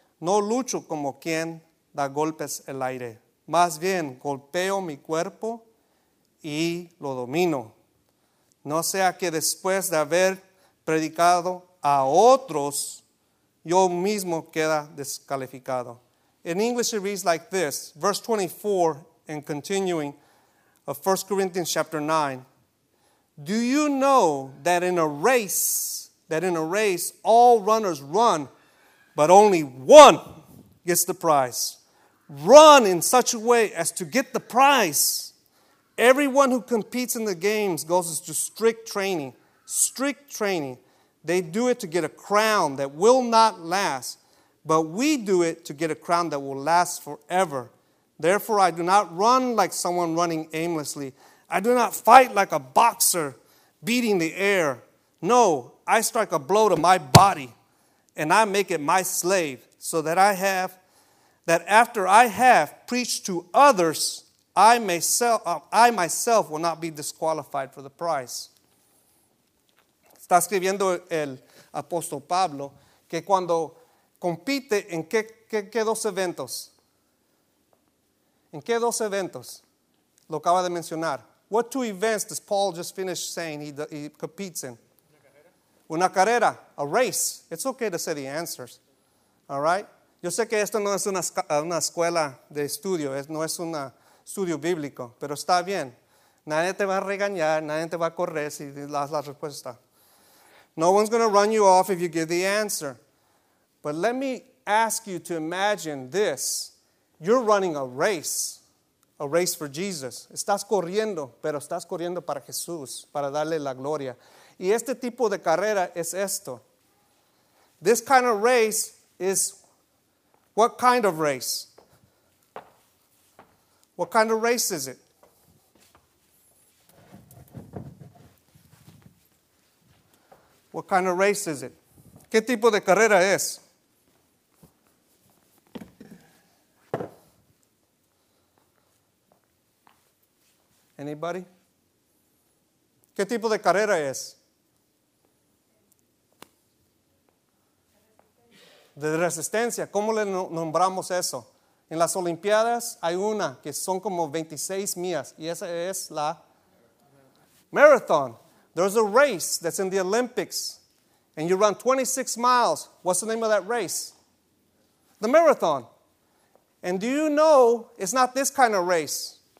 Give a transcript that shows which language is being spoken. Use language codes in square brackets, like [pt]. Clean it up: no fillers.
[es] No lucho como quien da golpes al aire. Más bien, golpeo mi cuerpo y lo domino. No sea que después de haber predicado a otros, yo mismo queda descalificado. [en] In English it reads like this, verse 24 and continuing of 1 Corinthians chapter 9. Do you know that in a race, all runners run, but only one gets the prize? Run in such a way as to get the prize. Everyone who competes in the games goes into strict training. Strict training. They do it to get a crown that will not last. but we do it to get a crown that will last forever. Therefore, I do not run like someone running aimlessly. I do not fight like a boxer beating the air. No, I strike a blow to my body, and I make it my slave, so that I have, that after I have preached to others, I myself will not be disqualified for the prize. [es] Está escribiendo el apóstol Pablo que cuando compite en qué dos eventos. ¿En qué dos eventos? Lo acaba de mencionar. [en] What two events does Paul just finish saying he competes in? [es] Una carrera, [en] a race. It's okay to say the answers. All right? [es] Yo sé que esto no es una escuela de estudio, no es un estudio bíblico, pero está bien. Nadie te va a regañar, nadie te va a correr si das la respuesta. [en] No one's going to run you off if you give the answer. But let me ask you to imagine this. You're running a race for Jesus. [es] Estás corriendo, pero estás corriendo para Jesús, para darle la gloria. Y este tipo de carrera es esto. [en] This kind of race is what kind of race? What kind of race is it? What kind of race is it? [es] ¿Qué tipo de carrera es? [en] Anybody? [es] ¿Qué tipo de carrera es? De resistencia. ¿Cómo le nombramos eso? En las Olimpiadas hay una que son como 26 millas y esa es la marathon. [en] There's a race that's in the Olympics and you run 26 miles. What's the name of that race? The marathon. And do you know it's not this kind of race?